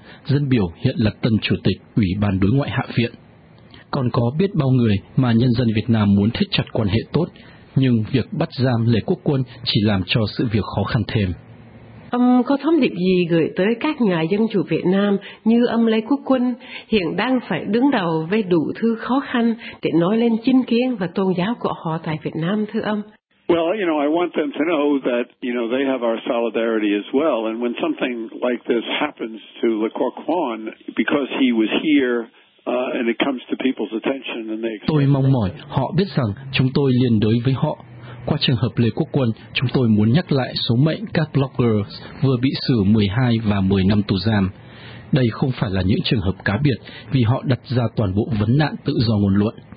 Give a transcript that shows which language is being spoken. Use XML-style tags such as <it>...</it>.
<vi>Dân biểu hiện là tân chủ tịch Ủy ban Đối ngoại Hạ viện. Còn có biết bao người mà nhân dân Việt Nam muốn thiết chặt quan hệ tốt, nhưng việc bắt giam Lê Quốc Quân chỉ làm cho sự việc khó khăn thêm. Ông có thông điệp gì gửi tới các nhà dân chủ Việt Nam như ông Lê Quốc Quân hiện đang phải đứng đầu với đủ thứ khó khăn để nói lên chính kiến và tôn giáo của họ tại Việt Nam, thưa ông?</vi> <en>Well, you know, I want them to know that, you know, they have our solidarity as well. And when something like this happens to Lê Quốc Quân, because he was here, and it comes to people's attention, and they...</en> <vi>Tôi mong mỏi họ biết rằng chúng tôi liên đới với họ. Qua trường hợp Lê Quốc Quân, chúng tôi muốn nhắc lại số mệnh các bloggers vừa bị xử 12 và 10 năm tù giam. Đây không phải là những trường hợp cá biệt vì họ đặt ra toàn bộ vấn nạn tự do ngôn luận.</vi>